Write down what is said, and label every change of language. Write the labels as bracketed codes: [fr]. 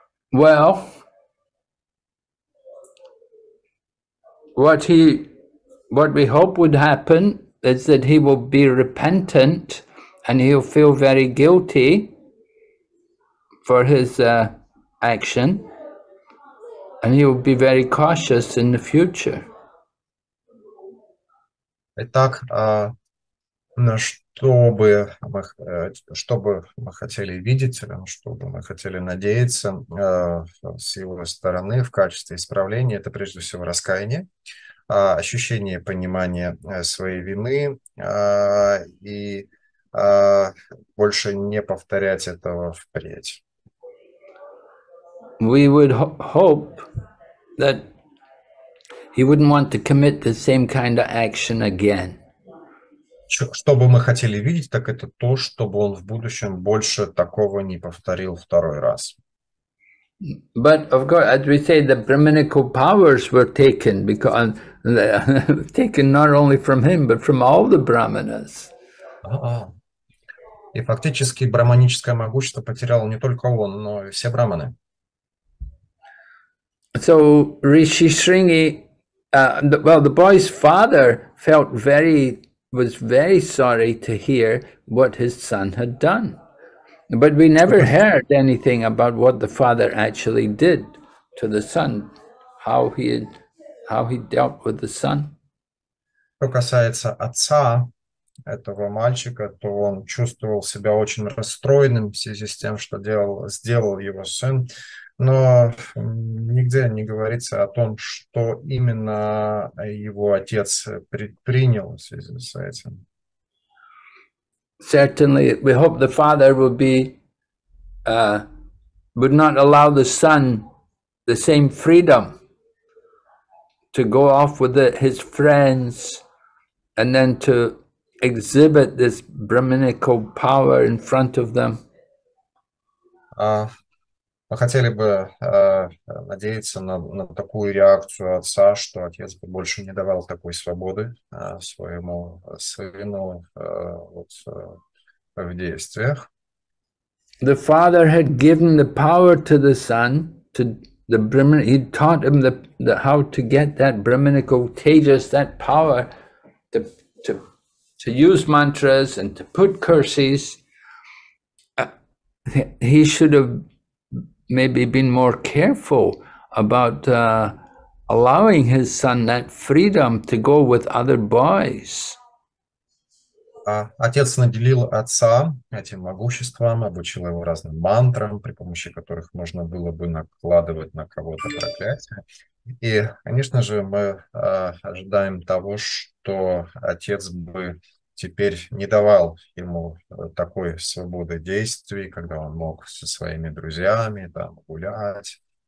[en] Well, what we hope would happen is that he will be repentant and he'll feel very guilty for his action, and he will be very cautious in the future. [ru] Итак, на что бы мы, что бы мы хотели видеть, что бы мы хотели надеяться с его стороны в качестве исправления, это прежде всего раскаяние, ощущение понимания своей вины и больше не повторять этого впредь. [en] We would hope that he wouldn't want to commit the same kind of action again. [ru] Что бы мы хотели видеть, так это то, чтобы он в будущем больше такого не повторил второй раз. [en] But of course, as we say, the brahminical powers were taken because taken not only from him, but from all the brahmanas. [ru] И фактически брахманическое могущество потеряло не только он, но и все брахманы. [en] So Rishi Sringi, the boy's father felt very, was very sorry to hear what his son had done. But we never heard anything about what the father actually did to the son, how he dealt with the son. [ru] Что касается отца этого мальчика, то он чувствовал себя очень расстроенным в связи с тем, что сделал его сын. Но нигде не говорится о том, что именно его отец предпринял в связи с этим. [en] Certainly, we hope the father would be would not allow the son the same freedom to go off with his friends and then to exhibit this brahminical power in front of them. [ru] Мы хотели бы надеяться на такую реакцию отца, что отец бы больше не давал такой свободы своему сыну в действиях. [en] The father had given the power to the son, to the brahmin. He taught him the how to get that brahminical tejas, that power, to use mantras and to put curses. He should have maybe been more careful about allowing his son that freedom to go with other boys. [ru] Отец наделил отца этим могуществом, обучил его разным мантрам, при помощи которых можно было бы накладывать на кого-то проклятие. И, конечно же, мы ожидаем того, что отец бы теперь не давал ему такой свободы действий, когда он мог со своими друзьями там гулять.